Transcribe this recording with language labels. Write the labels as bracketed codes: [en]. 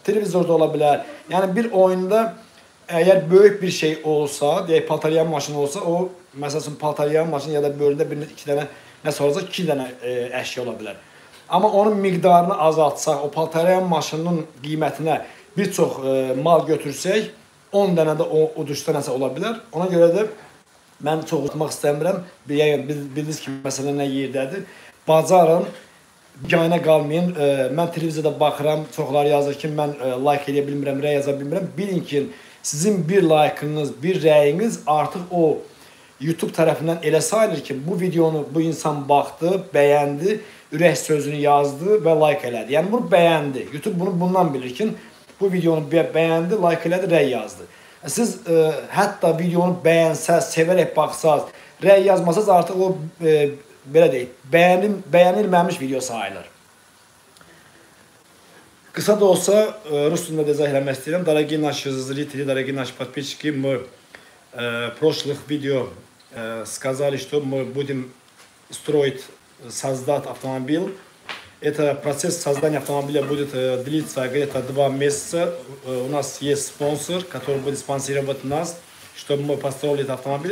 [az] Televizorda ola bilər, yəni bir oyunda əgər böyük bir şey olsa, deyək Patar yan maşında olsa, o, məsəl üçün Patar yan maşında ya da böyründə bir iki dənə, nəsə olacaq, iki dənə əşya ola bilər. Amma onun miqdarını azaltsaq, o paltaryan maşının qiymətinə bir çox mal götürsək, 10 dənə də o uduşda nəsə ola bilər. Ona görə də mən çox uçmaq istəmirəm. Bildiniz ki, məsələ nə yerdədir. Bacarın, yayına qalmayın. Mən televizyada baxıram, çoxlar yazır ki, mən like edə bilmirəm, rəy yaza bilmirəm. Bilin ki, sizin bir like-ınız, bir rəyiniz artıq o YouTube tərəfindən elə sayılır ki, bu videonu bu insan baxdı, bəyəndi. Ürək sözünü yazdı və like elədi. Yəni, bunu bəyəndi. YouTube bunu bundan bilir ki, bu videonu bəyəndi, like elədi, rəy yazdı. Siz hətta videonu bəyənsəz, sevərək baxsaz, rəy yazmasaz, artıq o, belə deyək, bəyənilməmiş video sayılır. Qısa da olsa, rus dilində də izah eləmək istəyirəm. [ru] Дорогие наши зрители, дорогие наши подписчики, мы прошлых видео сказали, что мы будем строить, создать автомобиль. Это процесс создания автомобиля будет длиться где-то 2 месяца. У нас есть спонсор, который будет спонсировать нас, чтобы мы построили этот автомобиль.